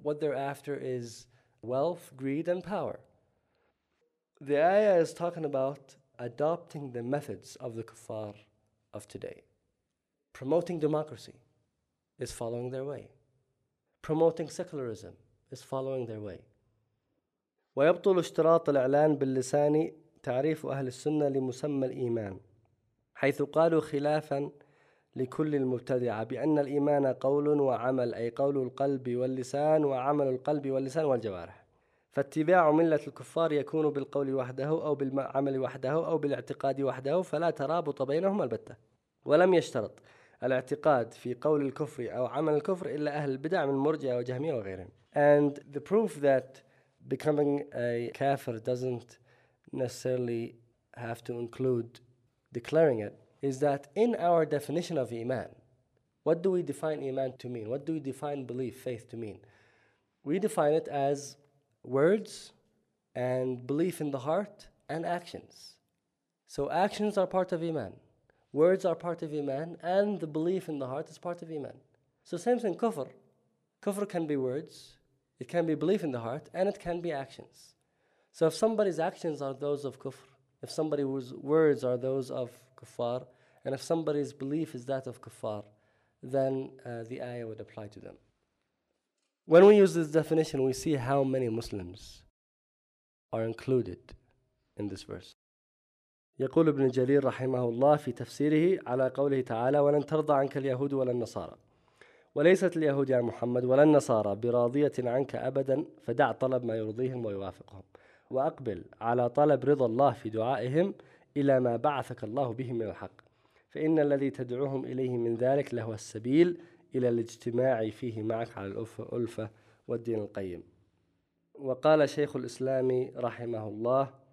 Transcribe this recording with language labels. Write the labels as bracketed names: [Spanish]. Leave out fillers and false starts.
[English] What they're after is wealth, greed, and power. The ayah is talking about adopting the methods of the kuffar of today. Promoting democracy is following their way. Promoting secularism is following their way. [Arabic] وَيَبْطُلُ اشْتِرَاطَ الْإِعْلَانِ بِاللِّسَانِ تَعْرِيفُ أَهْلِ السُّنَّةِ لِمُسَمَّى الْإِيمَانِ حيث قالوا خلافاً لكل المبتدعة بأن الإيمان قول وعمل أي قول القلب واللسان وعمل القلب واللسان والجوارح فاتباع ملة الكفار يكون بالقول وحده أو بالعمل وحده أو بالاعتقاد وحده فلا ترابط بينهم البتة ولم يشترط الاعتقاد في قول الكفر أو عمل الكفر إلا أهل البدع من مرجع وجهمية وغيرهم. [English] And the proof that becoming a kafir doesn't necessarily have to include declaring it is that in our definition of iman, what do we define iman to mean? What do we define belief, faith to mean? We define it as words and belief in the heart and actions. So actions are part of Iman. Words are part of Iman, and the belief in the heart is part of Iman. So same thing, kufr. Kufr can be words, it can be belief in the heart, and it can be actions. So if somebody's actions are those of kufr, if somebody's words are those of kuffar, and if somebody's belief is that of kuffar, then the ayah would apply to them. When we use this definition, we see how many Muslims are included in this verse. [Arabic] يقول ابن جرير رحمه الله في تفسيره على قوله تعالى ولن ترضى عنك اليهود ولا النصارى وليست اليهود يا محمد ولا النصارى براضية عنك أبدا فدع طلب ما يرضيهم ويوافقهم وأقبل على طلب رضا الله في دعائهم إلى ما بعثك الله به من الحق فإن الذي تدعوهم إليه من ذلك لهو السبيل إلى الاجتماع فيه معك على الألفة والدين القيم وقال شيخ الإسلام رحمه الله